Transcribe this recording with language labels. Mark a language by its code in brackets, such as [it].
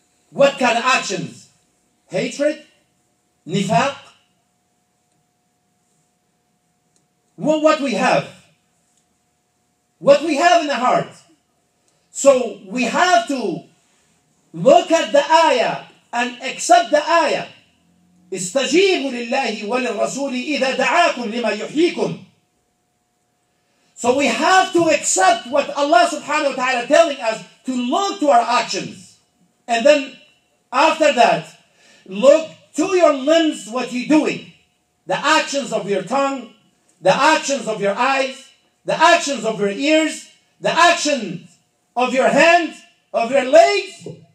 [en] What kind of actions? Hatred? Nifaq? Well, what we have? What we have in the heart? So we have to look at the ayah and accept the ayah. [ar] استجيبوا لله وللرسول إذا دعاكم لما يحييكم. [en] So we have to accept what Allah subhanahu wa ta'ala telling us to look to our actions. And then after that, look to your limbs, what you're doing. The actions of your tongue, the actions of your eyes, the actions of your ears, the actions of your hands, of your legs.